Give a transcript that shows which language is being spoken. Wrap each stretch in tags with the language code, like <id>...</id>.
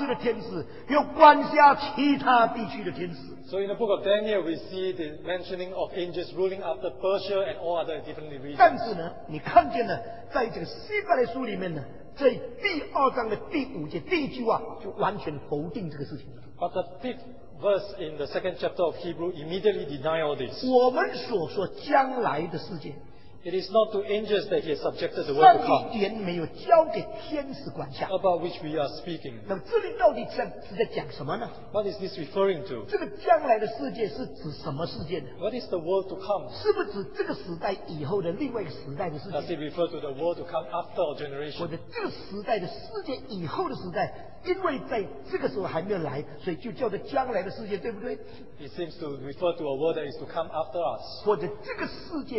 <zh>这样也就不奇怪在但以书里面出现有天使管辖波斯，有管辖波斯的天使，有管辖其他地区的天使。</zh> <en>So in the book of Daniel, we see the mentioning of angels ruling after Persia and all other different regions.</en> <zh>但是呢，你看见呢，在这个希伯来书里面呢，在第二章的第五节第一句话就完全否定这个事情了。</zh> <en>But the fifth verse in the second chapter of Hebrew immediately deny all this.</en> <zh>我们所说将来的世界,</zh> <en>it is not to angels that he has subjected the world to come.</en> <zh>上帝也没有交给天使管辖,</zh> <en>about which we are speaking.</en> <zh>那么这里到底是在讲什么呢?</zh> <en>What is this referring to?</en> <zh>这个将来的世界是指什么世界呢?</zh> <en>What is the world to come?</en> <zh>是不是指这个时代以后的另外一个时代的世界?</zh> <en>Does it refer to the world to come after our generation?</en> <zh>或者这个时代的世界以后的时代, 因为在这个时候还没有来, 所以就叫做将来的世界, 对不对?</zh> <en>It seems to refer to a world that is to come after us.</en>